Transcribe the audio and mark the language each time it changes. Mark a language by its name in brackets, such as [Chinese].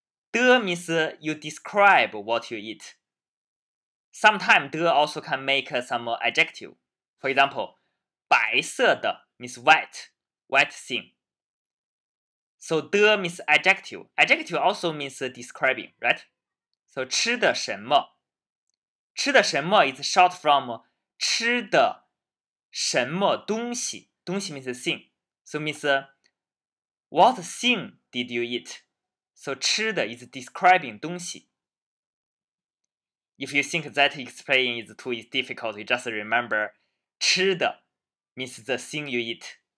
[English] 的 means you describe what you eat. Sometimes 的 also can make some adjective. For example, 白色的 means white, white thing. So 的 means adjective. Adjective also means describing, right? So [Chinese] 吃的什么? 吃的什么 [English] is short from [Chinese] 吃的什么东西? [English] 东西 means thing. So means what thing did you eat? So 吃的 is describing 东西。 If you think that explaining is too difficult, you just remember 吃的 means the thing you eat.